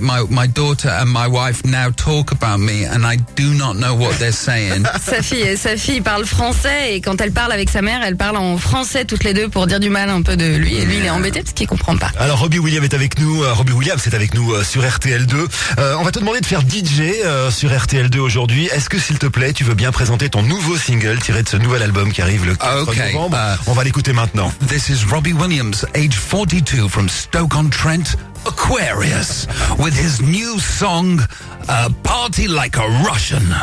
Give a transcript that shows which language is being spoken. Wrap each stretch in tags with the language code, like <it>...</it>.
<en>My daughter and my wife now talk about me, and I do not know what they're saying.</en> <fr>Sa fille parle français, et quand elle parle avec sa mère, elle parle en français toutes les deux pour dire du mal un peu de lui, et lui il est embêté parce qu'il comprend pas. Alors Robbie Williams est avec nous, sur RTL2. On va te demander de faire DJ sur RTL2 aujourd'hui. Est-ce que, s'il te plaît, tu veux bien présenter ton nouveau single tiré de ce nouvel album qui arrive le 4 novembre? On va l'écouter maintenant.</fr> <en>This is Robbie Williams, age 42, from Stoke-on-Trent, Aquarius, with his new song, Party Like a Russian.</en>